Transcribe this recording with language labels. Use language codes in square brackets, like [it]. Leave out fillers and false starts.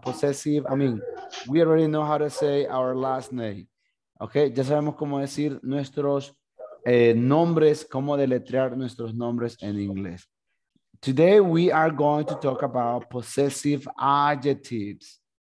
[en] Possessive, I mean, we already know how to say our last name. [es] Okay, ya sabemos cómo decir nuestros nombres, cómo deletrear nuestros nombres en inglés. [en] Today we are going to talk about possessive adjectives.